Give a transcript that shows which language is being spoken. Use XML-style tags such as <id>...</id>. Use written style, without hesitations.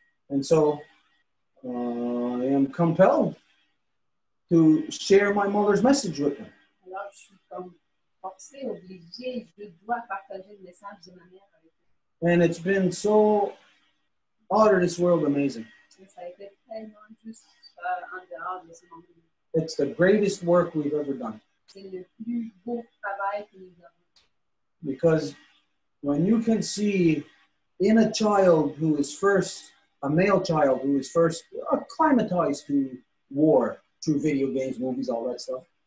<en>And so I am compelled to share my mother's message with them.</en> <fr>forcé, obligé, je dois partager le message de ma mère avec eux.</fr> <en>And it's been so out of this world amazing.</en> <fr>Et ça a été tellement juste en dehors de ce moment.</fr> <en>It's the greatest work we've ever done.</en> <fr>C'est le plus beau travail que nous avons.</fr> <en>Because when you can see in a child who is first, a male child who is first acclimatized to war through video games, movies, all that stuff.</en>